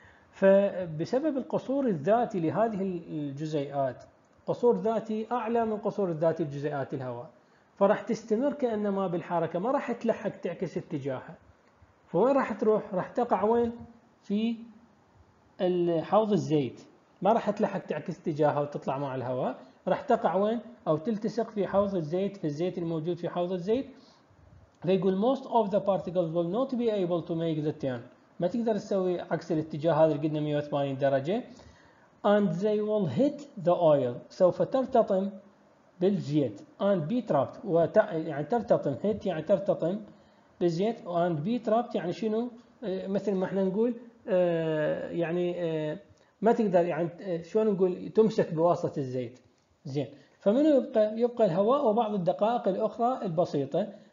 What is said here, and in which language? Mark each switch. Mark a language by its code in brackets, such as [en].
[ar] فبسبب القصور الذاتي لهذه الجزيئات، قصور ذاتي أعلى من قصور الذاتي لجزيئات الهواء، فراح تستمر كأنما بالحركة، ما راح تلحق تعكس اتجاهها. فوين راح تروح؟ راح تقع وين؟ في حوض الزيت، ما راح تلحق تعكس اتجاهها وتطلع مع الهواء، راح تقع وين؟ او تلتصق في حوض الزيت، في الزيت الموجود في حوض الزيت. [en] فيقول most of the particles will not be able to make the turn، [ar] ما تقدر تسوي عكس الاتجاه هذا اللي قلنا 180 درجة. [en] And they will hit the oil، [ar] سوف ترتطم بالزيت. [en] And be trapped، [ar] يعني ترتطم، hit يعني ترتطم بالزيت، [en] and be trapped [ar] يعني شنو؟ مثل ما احنا نقول يعني ما تقدر، يعني شلون نقول تمسك بواسطة الزيت. زين، فمنو يبقى؟ يبقى الهواء وبعض الدقائق الأخرى البسيطة.